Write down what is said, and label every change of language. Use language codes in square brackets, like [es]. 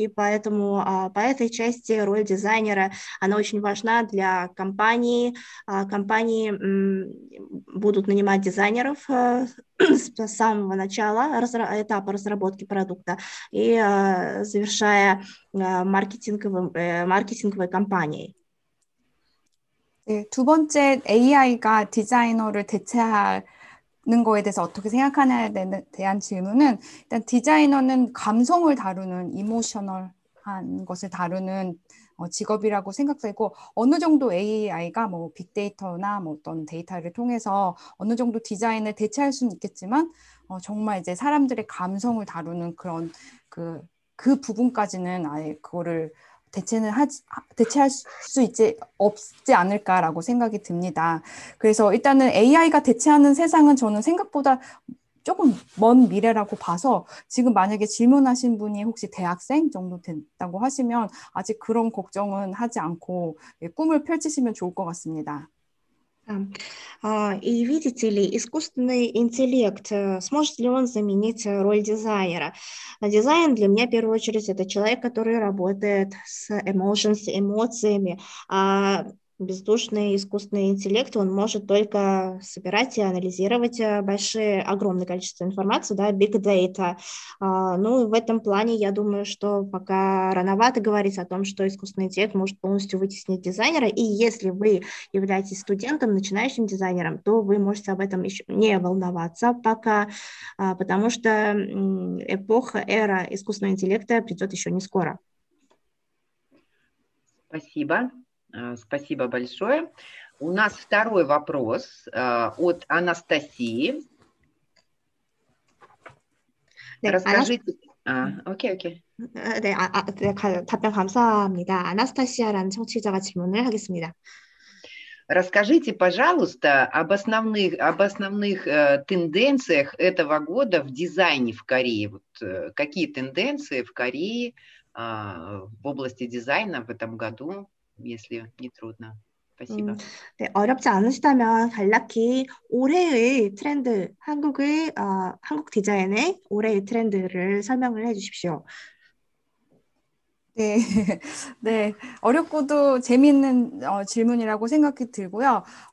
[ru] И поэтому по этой части роль дизайнера, она очень важна для компании. Компании будут нанимать дизайнеров с самого начала этапа разработки продукта и завершая маркетинговой кампанией. [ko] 네, 두 번째 AI가 디자이너를 대체하는 거에 대해서 어떻게 생각하냐에 대한 질문은 일단 디자이너는 감성을 다루는 이모셔널한 것을 다루는 직업이라고 생각되고 어느 정도 AI가 뭐 빅데이터나 뭐 어떤 데이터를 통해서 어느 정도 디자인을 대체할 수는 있겠지만 정말 이제 사람들의 감성을 다루는 그런 그 부분까지는 아예 그거를 대체할 수 없지 않을까라고 생각이 듭니다. 그래서 일단은 AI가 대체하는 세상은 저는 생각보다 조금 먼 미래라고 봐서 지금 만약에 질문하신 분이 혹시 대학생 정도 된다고 하시면 아직 그런 걱정은 하지 않고 꿈을 펼치시면 좋을 것 같습니다. [ru] И видите ли, искусственный интеллект, сможет ли он заменить роль дизайнера? Дизайн для меня, в первую очередь, это человек, который работает с эмоциями, а бездушный искусственный интеллект, он может только собирать и анализировать огромное количество информации, да, big data. Ну, в этом плане, я думаю, что пока рановато говорить о том, что искусственный интеллект может полностью вытеснить дизайнера. И если вы являетесь студентом, начинающим дизайнером, то вы можете об этом еще не волноваться пока, потому что эпоха, эра искусственного интеллекта придет еще не скоро. Спасибо. Спасибо большое. У нас второй вопрос от Анастасии. [ko] 네, [ru] Расскажите. Окей. [ko] 답변 감사합니다. 아나스타시아라는 청취자가 질문을 하겠습니다. [ru] Расскажите, пожалуйста, об основных тенденциях этого года в дизайне в Корее. Вот, какие тенденции в Корее, в области дизайна в этом году? Если не трудно. Спасибо. [ko] 네, 어렵지 않으시다면 간략히 올해의 트렌드, 한국 디자인의 올해의 트렌드를 설명을 해주십시오. 네, 어렵고도 재미있는 질문이라고 생각이 들고요.